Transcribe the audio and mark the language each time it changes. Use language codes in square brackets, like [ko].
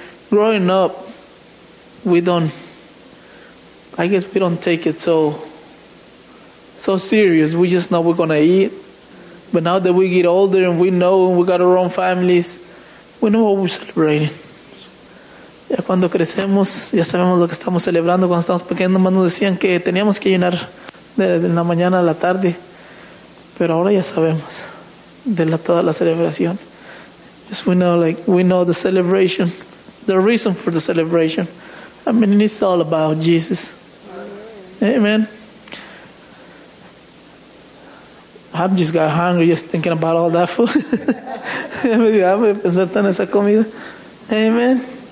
[en] Growing up, we don't take it so serious. We just know we're going to eat. But now that we get older and we know we got our own families, we know what we're celebrating. [es] Ya cuando crecemos, ya sabemos lo que estamos celebrando. Cuando estamos pequeños, nos decían que teníamos que llenar de la mañana a la tarde. Pero ahora ya sabemos de la toda la celebración. [en] Just we know the celebration, the reason for the celebration. I mean, it's all about Jesus. Amen. I just got hungry just thinking about all that food. [es] Pensar en esa comida. [en] Amen.